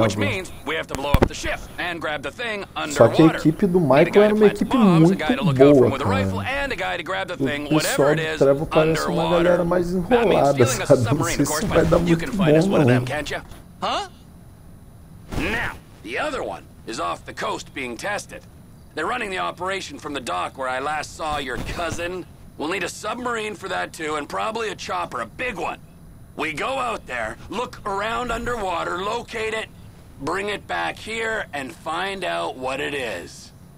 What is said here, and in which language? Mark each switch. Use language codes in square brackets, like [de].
[en] Which means we have to blow up the ship and grab the thing underwater. [pt] Só que a equipe do Michael era uma equipe muito boa, cara. O pessoal do Trevor parece uma galera mais enrolada, sabe? Não sei se vai dar muito bom, não. [en] Now, the other one is off the coast being tested. They're running the operation from the dock where I last saw your cousin. We'll need a submarine for that too, and probably a chopper, a big one. We go out there, look around underwater, locate it, bring it back here, and find out what it is.